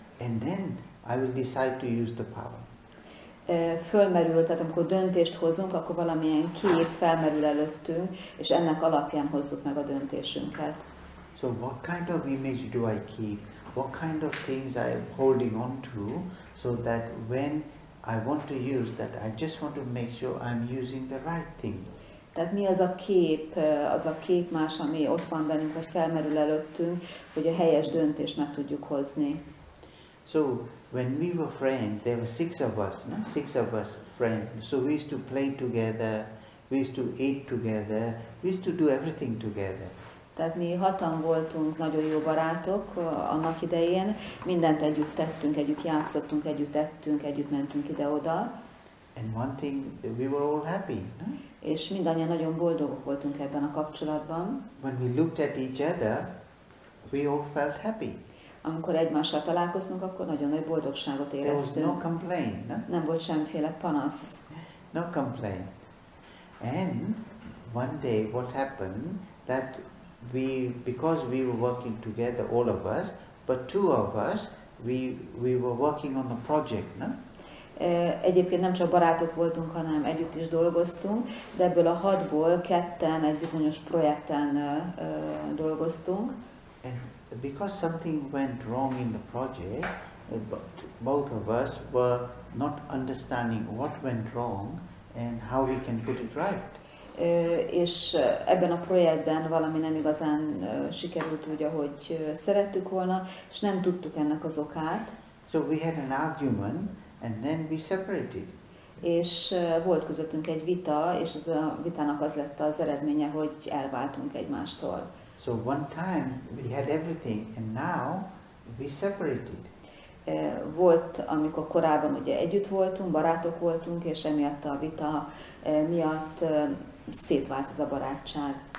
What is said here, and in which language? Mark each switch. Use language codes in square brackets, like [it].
[en] And then I will decide to use the power. [hu] Fölmerül, tehát amikor döntést hozunk, akkor valamilyen kép felmerül előttünk, és ennek alapján hozzuk meg a döntésünket. [en] So what kind of image do I keep? What kind of things I am holding on to, so that when I want to use that, I just want to make sure I'm using the right thing. [hu] Tehát mi az a kép más, ami ott van bennünk, vagy felmerül előttünk, hogy a helyes döntést meg tudjuk hozni. [en] So when we were friends, there were six of us, no? Six of us friends. So we used to play together, we used to eat together, we used to do everything together. [hu] Tehát mi hatan voltunk, nagyon jó barátok annak idején, mindent együtt tettünk, együtt játszottunk, együtt ettünk, együtt mentünk ide-oda. [en] And one thing, we were all happy, no? [hu] És mindannyian nagyon boldogok voltunk ebben a kapcsolatban. [en] When we looked at each other, we all felt happy. [hu] Amikor egymással találkoztunk, akkor nagyon nagy boldogságot éreztünk. [en] There was no complaint, no? [hu] Nem volt semmiféle panasz. [en] No complaint. And one day what happened, that because we were working together, all of us, but two of us, we were working on the project, no? [hu] Egyébként nem csak barátok voltunk, hanem együtt is dolgoztunk, de ebből a hatból ketten egy bizonyos projekten dolgoztunk. [en] Because something went wrong in the project, both of us were not understanding what went wrong and how we can put it right. [hu] És ebben a projektben valami nem igazán sikerült úgy, ahogy szerettük volna, és nem tudtuk ennek az okát. [en] So we had an argument and then we separated. [hu] És volt közöttünk egy vita, és ez a vitának az lett az eredménye, hogy elváltunk egymástól. [en] So one time we had everything, and now we separated. [hu] Volt, amikor korábban ugye együtt voltunk, barátok voltunk, és emiatt a vita miatt szétvált ez a barátság.